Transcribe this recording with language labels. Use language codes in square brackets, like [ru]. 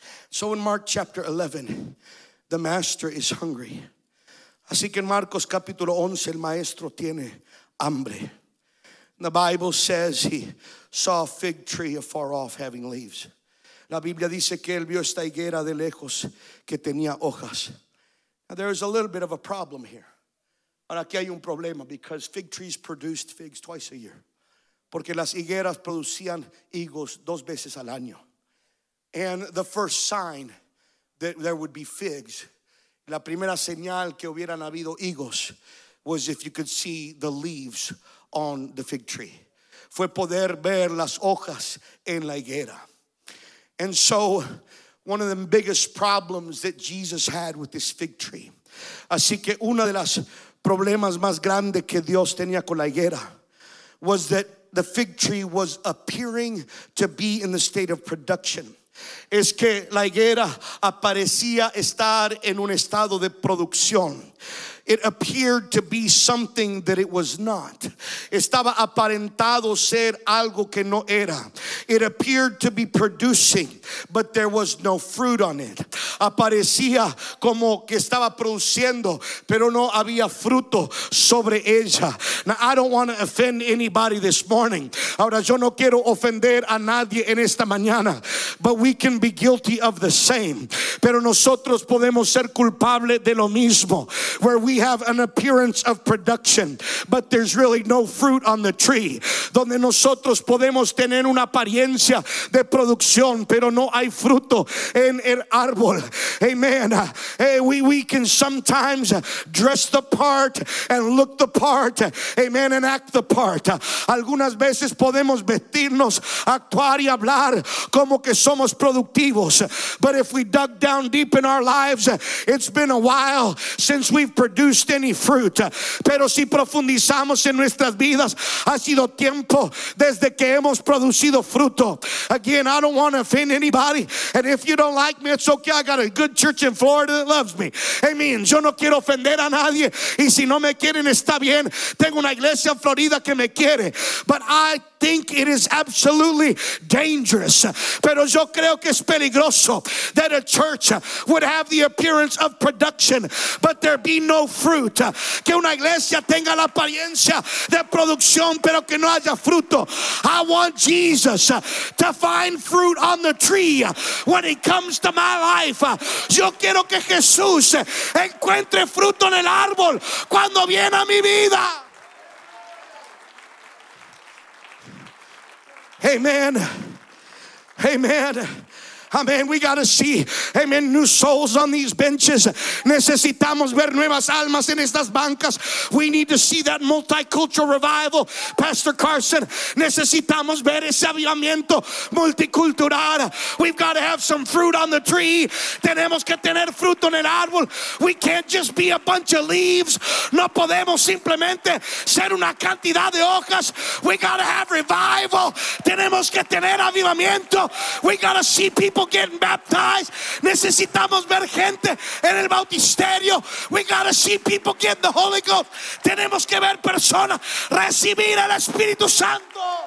[en] So in Mark chapter 11, the master is hungry. [es] Así que en Marcos capítulo 11, el maestro tiene hambre. [en] The Bible says he saw a fig tree afar off having leaves. [es] La Biblia dice que él vio esta higuera de lejos que tenía hojas. [en] Now there is a little bit of a problem here. [es] Ahora aquí hay un problema, [en] because fig trees produced figs twice a year. [es] Porque las higueras producían higos dos veces al año. [en] And the first sign that there would be figs, [es] la primera señal que hubieran habido higos, [en] was if you could see the leaves on the fig tree. [es] Fue poder ver las hojas en la higuera. [en] And so one of the biggest problems that Jesus had with this fig tree. [es] Así que una de las problemas más grandes que Dios tenía con la higuera [en] was that the fig tree was appearing to be in the state of production. [es] Es que la higuera aparecía estar en un estado de producción. [en] It appeared to be something that it was not. [es] Estaba aparentado ser algo que no era. [en] It appeared to be producing, but there was no fruit on it. [es] Aparecía como que estaba produciendo, pero no había fruto sobre ella. [en] Now, I don't want to offend anybody this morning. [es] Ahora, yo no quiero ofender a nadie en esta mañana, [en] but we can be guilty of the same. [es] Pero nosotros podemos ser culpables de lo mismo, [en] where we have an appearance of production, but there's really no fruit on the tree. [es] Donde nosotros podemos tener una apariencia de producción, pero no hay fruto en el árbol. Amen. [en] Hey, we can sometimes dress the part and look the part. Amen. And act the part. [es] Algunas veces podemos vestirnos, actuar y hablar como que somos productivos. [en] But if we dug down deep in our lives, it's been a while since we've produced produced any fruit. [es] Pero si profundizamos en nuestras vidas, ha sido tiempo desde que hemos producido fruto. [en] Again, I don't want to offend anybody, and if you don't like me, it's okay. I got a good church in Florida that loves me. Amen. [es] Yo no quiero ofender a nadie, y si no me quieren, está bien. Tengo una iglesia en Florida que me quiere. [en] But I think it is absolutely dangerous. [es] Pero yo creo que es peligroso [en] that a church would have the appearance of production, but there be no fruit. [es] Que una iglesia tenga la apariencia de producción, pero que no haya fruto. [en] I want Jesus to find fruit on the tree when he comes to my life. [es] Yo quiero que Jesús encuentre fruto en el árbol cuando viene a mi vida. Amen. Amen. Amen. [en] We got to see, amen, new souls on these benches. [es] Necesitamos ver nuevas almas en estas bancas. [en] We need to see that multicultural revival, Pastor Carson. [es] Necesitamos ver ese avivamiento multicultural. [en] We've got to have some fruit on the tree. [es] Tenemos que tener fruto en el árbol. [en] We can't just be a bunch of leaves. [es] No podemos simplemente ser una cantidad de hojas. [en] We got to have revival. [es] Tenemos que tener avivamiento. [en] We got to see people getting baptized. [es] Necesitamos ver gente en el bautisterio. [en] We gotta see people get the Holy Ghost. [es] Tenemos que ver personas recibir el Espíritu Santo.